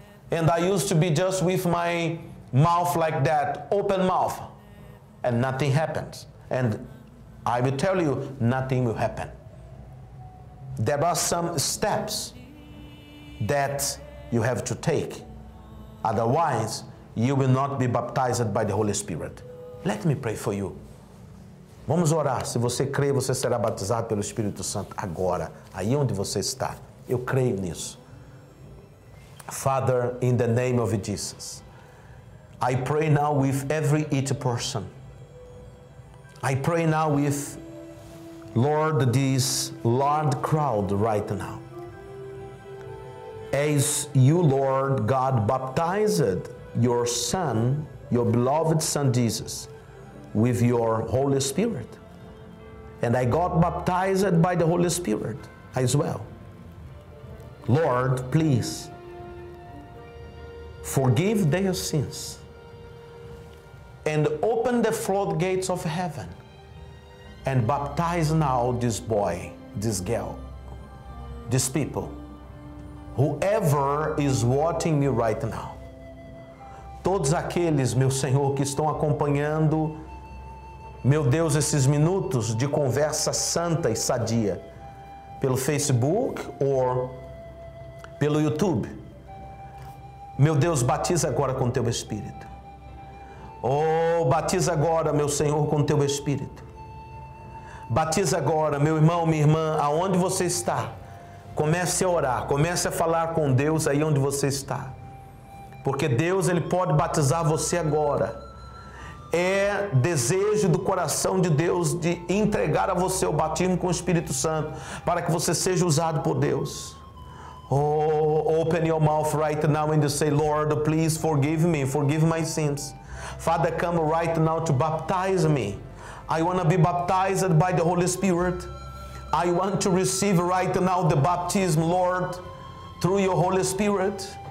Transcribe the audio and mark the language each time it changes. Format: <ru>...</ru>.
<en>And I used to be just with my mouth like that, open mouth, and nothing happens. And I will tell you, nothing will happen. There are some steps that you have to take. Otherwise, you will not be baptized by the Holy Spirit. Let me pray for you.</en> <pt>Vamos orar. Se você crê, você será batizado pelo Espírito Santo agora, aí onde você está. Eu creio nisso.</pt> <en>Father, in the name of Jesus, I pray now with every each person. I pray now with, Lord, this large crowd right now. As you, Lord God, baptized your Son, your beloved Son Jesus, with your Holy Spirit. And I got baptized by the Holy Spirit as well. Lord, please, forgive their sins. And open the floodgates of heaven. And baptize now this boy, this girl, this people, whoever is watching me right now.</en> <pt>Todos aqueles, meu Senhor, que estão acompanhando, meu Deus, esses minutos de conversa santa e sadia, pelo Facebook ou pelo YouTube. Meu Deus, batiza agora com Teu Espírito. Oh, batiza agora, meu Senhor, com Teu Espírito. Batiza agora, meu irmão, minha irmã, aonde você está? Comece a orar, comece a falar com Deus aí onde você está. Porque Deus, Ele pode batizar você agora. É desejo do coração de Deus de entregar a você o batismo com o Espírito Santo, para que você seja usado por Deus.</pt> <en>Oh, open your mouth right now and say, Lord, please forgive me, forgive my sins. Father, come right now to baptize me. I want to be baptized by the Holy Spirit. I want to receive right now the baptism, Lord, through your Holy Spirit.</en>